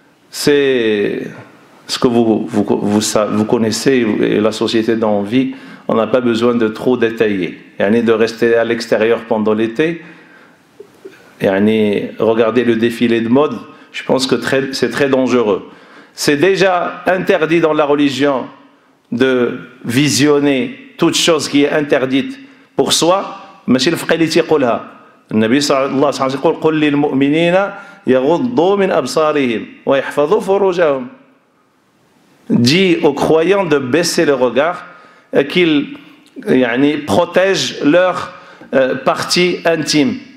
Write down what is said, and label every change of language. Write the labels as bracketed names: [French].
[French] C'est ce que vous connaissez, et la société dont on vit, on n'a pas besoin de trop détailler. De rester à l'extérieur pendant l'été... [Arabic] يعني [French] regardez le défilé de mode, je pense que c'est très dangereux. C'est déjà interdit dans la religion de visionner toute chose qui est interdite pour soi. [Arabic] ماشي الفقيه اللي تيقولها النبي صلى الله عليه وسلم يقول قل للمؤمنين يغضوا من ابصارهم ويحفظوا فروجهم. [French] Dit aux croyants de baisser le regard et qu'ils [Arabic] يعني [French] protègent leur partie intime.